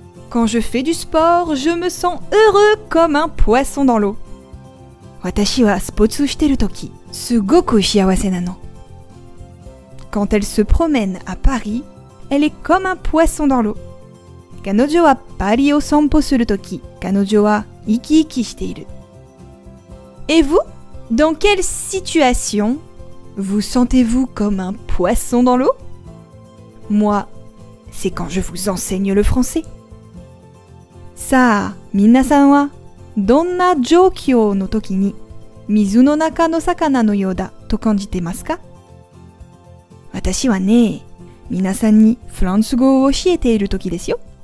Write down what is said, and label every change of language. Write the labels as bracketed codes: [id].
[fr] Quand je fais du sport, je me sens heureux comme un poisson dans l'eau. [ja] 私はスポーツをしてるとき、すごく幸せなの。 [fr] Quand elle se promène à Paris,Elle est comme un poisson dans l'eau. [ja] 彼女はパリを散歩するとき、彼女は生き生きしている。 [fr] Et vous? Dans quelle situation vous sentez-vous comme un poisson dans l'eau? Moi, c'est quand je vous enseigne le français. [ja] さあ、みなさんは、どんな状況のときに、水の中の魚のようだと感じてますか? 私はね、皆さんにフランス語を教えている時ですよ。